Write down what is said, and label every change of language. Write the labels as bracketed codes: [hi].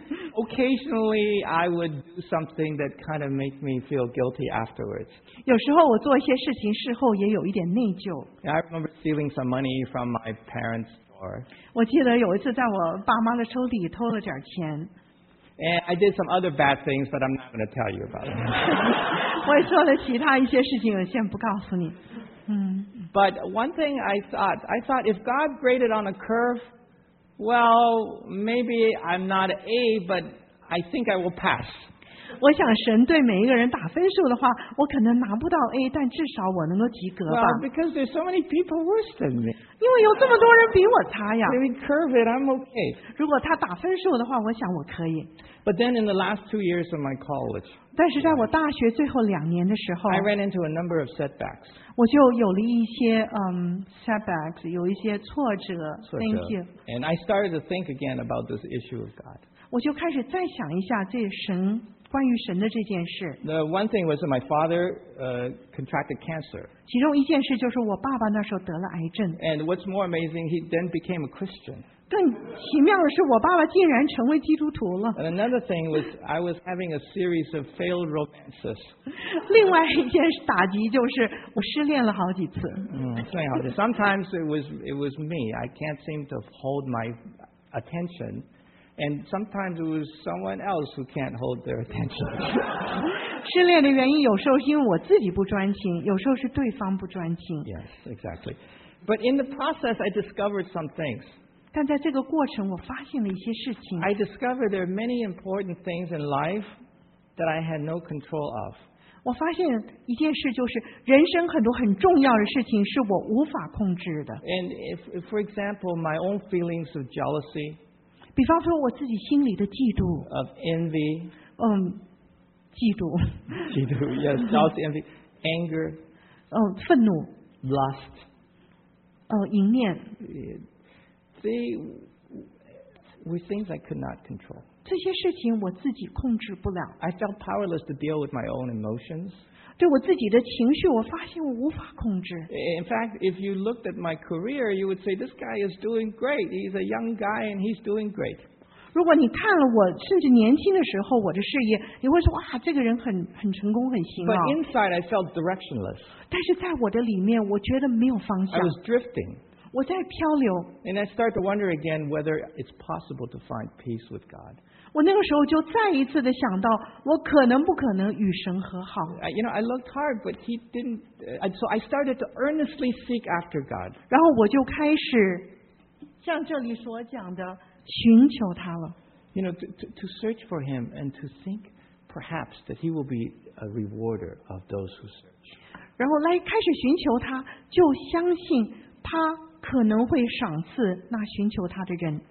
[en] Occasionally, I would do something that kind of make me feel guilty afterwards. [zh] 有时候我做一些事情，事后也有一点内疚。 [en] I remember stealing some money from my parents' drawer. [zh] 我记得有一次在我爸妈的抽屉偷了点钱。 [en] And I did some other bad things, but I'm not going to tell you about them. [zh] 我也做了其他一些事情，先不告诉你。嗯。 [en] But one thing I thought if God graded on a curve, well, maybe I'm not A, but I think I will pass. [zh] 我想神对每一个人打分数的话，我可能拿不到 A, 但至少我能够及格吧。 [en] Well, because there's so many people worse than me. [zh] 因为有这么多人比我差呀。 [en] Maybe curve it, I'm okay. [zh] 如果他打分数的话，我想我可以。 [en] But then in the last 2 years of my college, [zh] 但是在我大学最后两年的时候 [en] I ran into a number of setbacks. [zh] 我就有了一些、setbacks, 有一些挫折。 [en] Thank you. And I started to think again about this issue of God. [zh] 我就开始再想一下这神关于神的这件事。 [en] The one thing was that my father contracted cancer. [zh] 其中一件事就是我爸爸那时候得了癌症。 [en] And what's more amazing, he then became a Christian. [zh] 更奇妙的是我爸爸竟然成为基督徒了。 [en] And another thing was I was having a series of failed romances. [zh] 另外一件打击就是我失恋了好几次。 [en] Sometimes it was me. I can't seem to hold my attention. And sometimes it was someone else who can't hold their attention. [zh] 失恋的原因有时候是因为我自己不专心，有时候是对方不专心。 [en] Yes, exactly. But in the process, I discovered some things. [zh] 但在这个过程，我发现了一些事情。 [en] I discovered there are many important things in life that I had no control of. [zh] 我发现一件事就是，人生很多很重要的事情是我无法控制的。 [en] And if, for example, my own feelings of jealousy. [zh] 比方说我自己心里的嫉妒 [en] of envy [zh] 嫉妒 [en] yes jealousy envy anger [zh] 愤怒 [en] lust [zh] 淫念 [en] they were things I could not control [zh] 这些事情我自己控制不了 [en] I felt powerless to deal with my own emotions [zh] 对我自己的情绪我发现我无法控制 [en] in fact if you looked at my career you would say this guy is doing great he's a young guy and he's doing great [zh] 如果你看了我甚至年轻的时候我的事业你会说哇这个人很成功很行啊 [en] But inside I felt directionless [zh] 但是在我的里面我觉得没有方向 [en] I was drifting [zh] 我在漂流 [en] And I start to wonder again whether it's possible to find peace with God [zh] 我那个时候就再一次的想到我可能不可能与神和好 [en] You know I looked hard but he didn't So I started to earnestly seek after God [zh] 然后我就开始像这里所讲的寻求他了 [en] You know, to search for him and to think perhaps that he will be a rewarder of those who search. [zh] 然后来开始寻求他，就相信他可能会赏赐那寻求他的人。